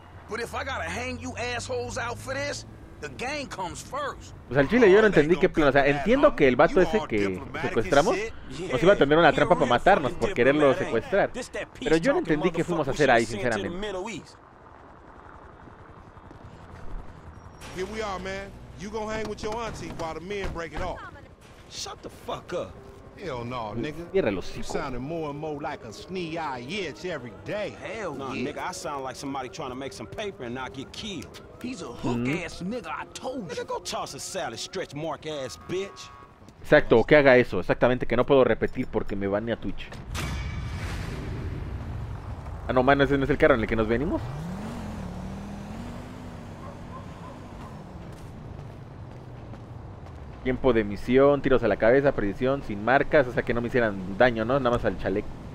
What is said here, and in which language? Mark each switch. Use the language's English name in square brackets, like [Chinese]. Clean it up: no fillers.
[English] But if I gotta hang you assholes out for this, the gang comes first. [Spanish] Pues al chile yo no entendí qué plan. O sea, entiendo que el vato ese que secuestramos nos iba a tener una trampa para matarnos por quererlo secuestrar. Pero yo no entendí qué fuimos a hacer ahí, sinceramente. [English] Here we are, man. You gonna hang with your auntie while the men break it off. Shut the fuck up. Hell no, nigga. [Spanish] Cierra el hocico. [English] Sounding more and more like a snee-eye itch every day. Hell no, nigga. I sound like somebody trying to make some paper and not get killed. He's a hook-ass nigga, I told you. Nigga, go toss a salad, stretch mark-ass bitch. [Spanish] Exacto, que haga eso. Exactamente, que no puedo repetir porque me banea Twitch. Ah, no, mano, ese no es el carro en el que nos venimos. Tiempo de misión, tiros a la cabeza, precisión, sin marcas. O sea, que no me hicieran daño, ¿no? Nada más al chaleco.